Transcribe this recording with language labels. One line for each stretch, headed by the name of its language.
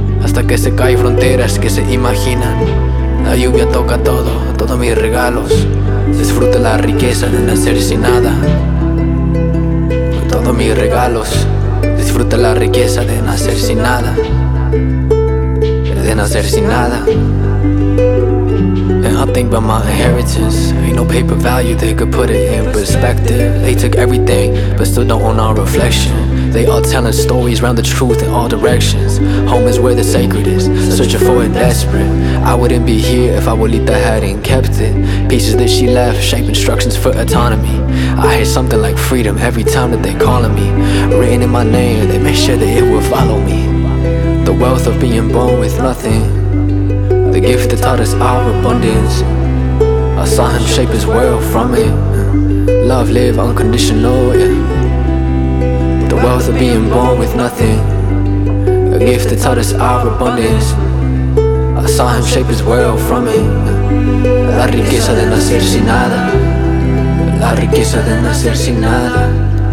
Spanish: Hasta que se caen fronteras que se imaginan, la lluvia toca todo, todos mis regalos. Disfruta la riqueza de nacer sin nada. Todos mis regalos. Disfruta la riqueza de nacer sin nada. De nacer sin nada.
English: I think about my inheritance. Ain't no paper value, they could put it in perspective. They took everything, but still don't own our reflection. They are telling stories round the truth in all directions. Home is where the sacred is, searching for it desperate. I wouldn't be here if Abuelita hadn't kept it. Pieces that she left shape instructions for autonomy. I hear something like freedom every time that they calling me. Written in my name, they make sure that it will follow me. The wealth of being born with nothing, the gift that taught us our abundance. I saw him shape his world from it. Love live unconditional, yeah. The wealth of being born with nothing, a gift that taught us our abundance. I saw him shape his world from it.
Spanish: La riqueza de nacer sin nada. La riqueza de nacer sin nada.